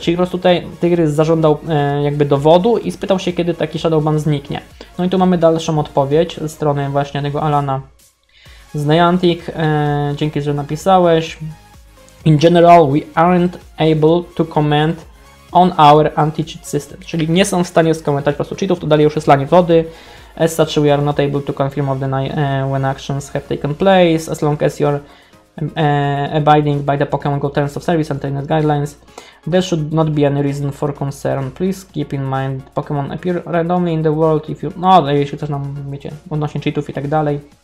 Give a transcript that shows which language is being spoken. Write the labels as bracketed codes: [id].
[pl] Czyli po prostu tutaj Tygrys zażądał jakby dowodu i spytał się, kiedy taki shadow ban zniknie. No i tu mamy dalszą odpowiedź ze strony właśnie tego Alana z Niantic. Dzięki, że napisałeś. [en] In general, we aren't able to comment on our anti-cheat system. [pl] Czyli nie są w stanie skomentować po prostu cheatów, to dalej już jest lanie wody. [en] As such, we are not able to confirm of the when actions have taken place, as long as you're abiding by the Pokémon Go Terms of Service and Trainer Guidelines, there should not be any reason for concern. Please keep in mind, Pokémon appear randomly in the world if you... [pl] No, jeśli coś nam, wiecie, odnośnie cheatów i tak dalej.